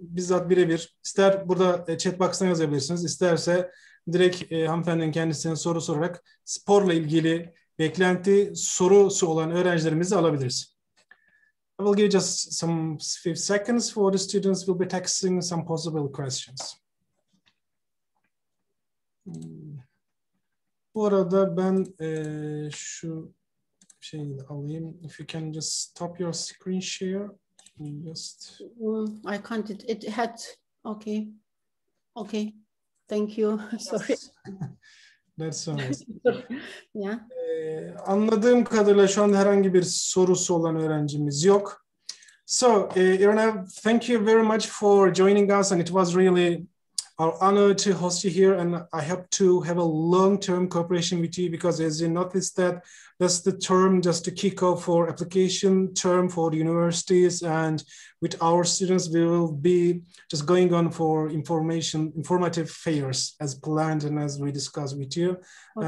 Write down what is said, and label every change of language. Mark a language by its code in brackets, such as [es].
[tr] Bizzat birebir, ister burada chat box'tan yazabilirsiniz, isterse direkt hanımefendinin kendisine soru sorarak sporla ilgili beklenti sorusu olan öğrencilerimizi alabiliriz. [en] I will give just some few seconds for the students who will be texting some possible questions. [tr] Bu arada ben şu şeyi alayım. [en] If you can just stop your screen share. Just... I can't. It had... Okay. Okay. Thank you. Yes. Sorry. That's so nice. Yeah. [tr] Anladığım kadarıyla şu anda herhangi bir sorusu olan öğrencimiz yok. [en] So, Irina, thank you very much for joining us, and it was really our honor to host you here, and I hope to have a long-term cooperation with you, because as you noticed that that's the term just to kick off for application term for the universities, and with our students we will be just going on for informative fairs as planned and as we discussed with you. Okay.